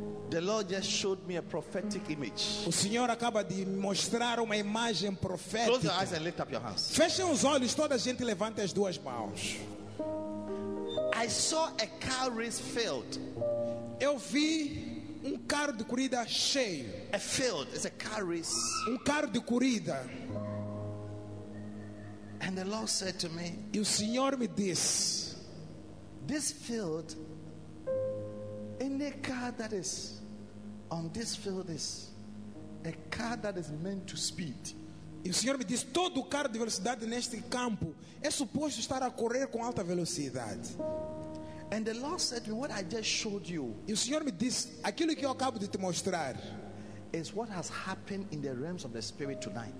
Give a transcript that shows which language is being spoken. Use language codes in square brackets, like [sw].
[en] The Lord just showed me a prophetic image. [pt] O Senhor acaba de mostrar uma imagem profética. [en] Close your eyes and lift up your hands. [pt] Fechem os olhos, toda a gente levanta as duas mãos. [en] I saw a car race field. [pt] Eu vi um carro de corrida cheio. [en] A field, it's a car race. [pt] Um carro de corrida. [en] And the Lord said to me, [pt] e o Senhor me disse, [en] this field, in any car that is on this field is a car that is meant to speed. [pt] E o Senhor me disse, todo carro de velocidade neste campo é suposto estar a correr com alta velocidade. [en] And the Lord said to me, what I just showed you. [pt] E o Senhor me disse, aquilo que eu acabo de te mostrar [en] is what has happened in the realms of the spirit tonight.